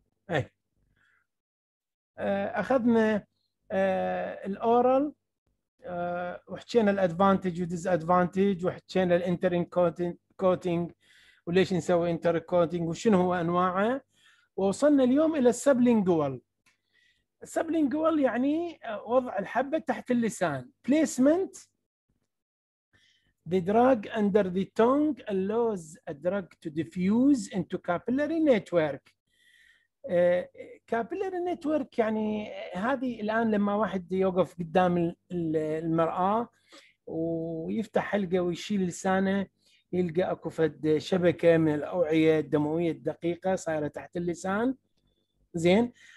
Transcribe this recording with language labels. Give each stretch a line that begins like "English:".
Arabic: اي اخذنا الاورال وحكينا الادفانتج وديز ادفانتج وحكينا الانتر كوتينج وليش نسوي انتر كوتينج وشنو هو انواعه، ووصلنا اليوم الى السبلينجوال. السبلينجوال يعني وضع الحبه تحت اللسان، بليسمنت
English: the drug under the tongue allows a drug to diffuse into capillary network.
Arabic: capillary network يعني هذه الآن لما واحد يوقف قدام المرآة ويفتح حلقه ويشيل لسانه يلقى أكو فد شبكة من الأوعية الدموية الدقيقة صايرة تحت اللسان زين.